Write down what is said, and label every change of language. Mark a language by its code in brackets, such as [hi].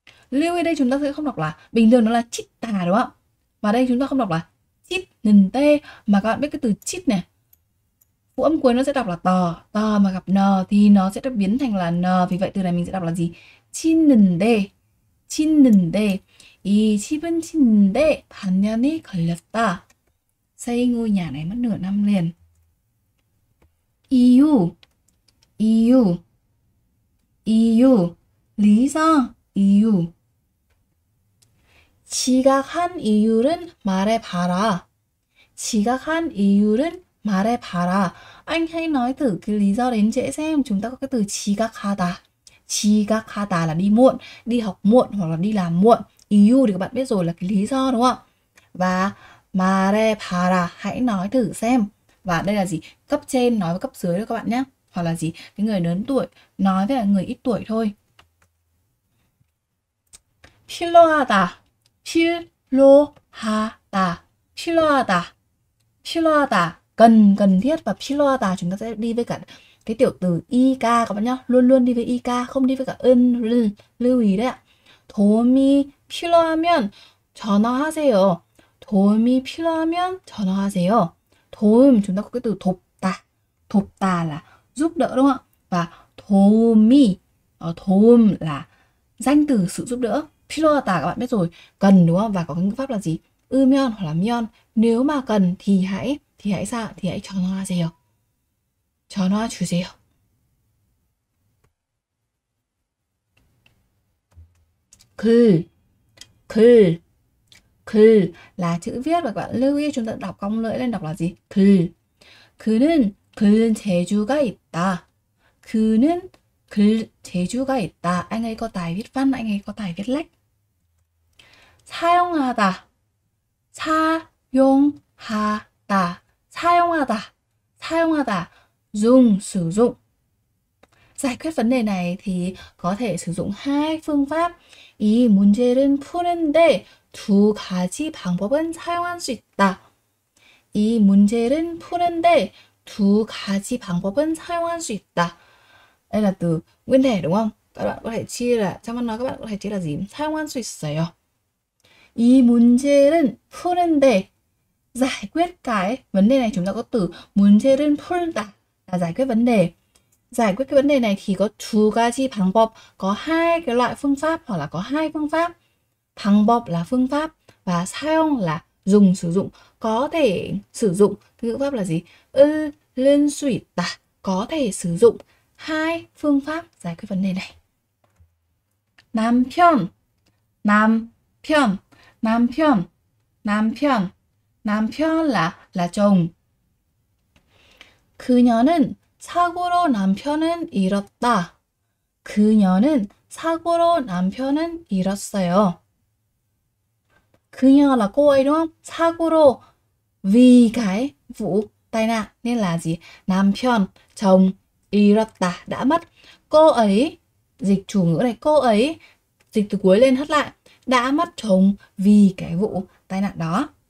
[vi] Lưu ý đây chúng ta sẽ không đọc là, bình thường nó là chít tà đúng không ạ? Và đây chúng ta không đọc là chít nền tê, mà các bạn biết cái từ chít này, phụ âm cuối nó sẽ đọc là tò, tò mà gặp n thì nó sẽ được biến thành là n. Vì vậy từ này mình sẽ đọc là gì? Chín nền tê, chín nền tê. Y chín nền tê, [ko] 반년이 걸렸다. [vi] Xây ngôi nhà này mất nửa năm liền. [ko] 이유, 이유, 이유, [vi] lý do, [ko] 이유. 지각한 이유는 말해봐라. 지각한 이유는 말해봐라. [vi] Anh hãy nói thử cái lý do đến trễ xem. Chúng ta có cái từ 지각하다. 지각하다 là đi muộn, đi học muộn hoặc là đi làm muộn. 이유 thì các bạn biết rồi là cái lý do đúng không? Và 말해봐라, hãy nói thử xem. Và đây là gì? Cấp trên nói với cấp dưới đó các bạn nhé. Hoặc là gì? Cái người lớn tuổi nói với người ít tuổi thôi. [ko] 필요하다. 필요하다. 필요하다. 필요하다. [vi] Cần, cần thiết và 필요하다 chúng ta sẽ đi với cả cái tiểu từ ik các bạn nhé. Luôn luôn đi với ik, không đi với cả ơn, lưu ý đấy ạ. [ko] 도움이 필요하면 전화하세요. 도움이 필요하면 전화하세요. [vi] 도움, chúng ta có cái từ 돕다. 돕다 là giúp đỡ đúng không ạ? Và 도움이, 도움 là danh từ sự giúp đỡ. 필요하다 các bạn biết rồi, cần đúng không? Và có cái ngữ pháp là gì? 으면 hoặc là 면. Nếu mà cần thì hãy, thì hãy sao? Thì hãy 전화하세요. [ko] 전화 주세요. [vi] 글, 글, 글 là chữ viết. Và các bạn lưu ý chúng ta đọc cong lưỡi lên đọc là gì? [ko] 글. 그는 글 재주가 있다. 그는 글 재주가 있다. [vi] Anh ấy có tài viết văn, anh ấy có tài viết lách. [ko] 사용하다. 사용하다. 사용하다. 사용하다. [vi] Dùng, sử dụng. Giải quyết vấn đề này thì có thể sử dụng hai phương pháp. [ko] 이 문제를 푸는데 두 가지 방법은 사용할 수 있다. 이 문제를 푸는데 두 가지 방법은 사용할 수 있다. [vi] Đây là từ nguyên thể đúng không? Các bạn có thể chia là, trong văn nói các bạn có thể chia là gì? [ko] Sa용할 수 있어요. 이 문제는 푸는데, 자, [vi] giải quyết cái vấn đề này chúng ta có từ [ko] 문제를 푼다 [vi] là giải quyết vấn đề. Giải quyết cái vấn đề này thì có [ko] 두 가지 방법, [vi] có hai cái loại phương pháp hoặc là có hai phương pháp. 방법 là phương pháp và 사용 là dùng, sử dụng, có thể sử dụng. Thứ ngữ pháp là gì? Ư lên suy tả, có thể sử dụng hai phương pháp giải quyết vấn đề này. Nam phiên, nam phiên, nam phiên, nam phiên, nam phiên là chồng. [ko] 그녀는 사고로 남편은 잃었다. 그녀는 사고로 남편은 잃었어요. [vi] 그녀 là cô ấy đúng không? 사고로 vì cái vụ tai nạn nên là gì? 남편 chồng 잃었다 đã mất. Cô ấy dịch chủ ngữ này, cô ấy dịch từ cuối lên hết lại đã mất chồng vì cái vụ tai nạn đó.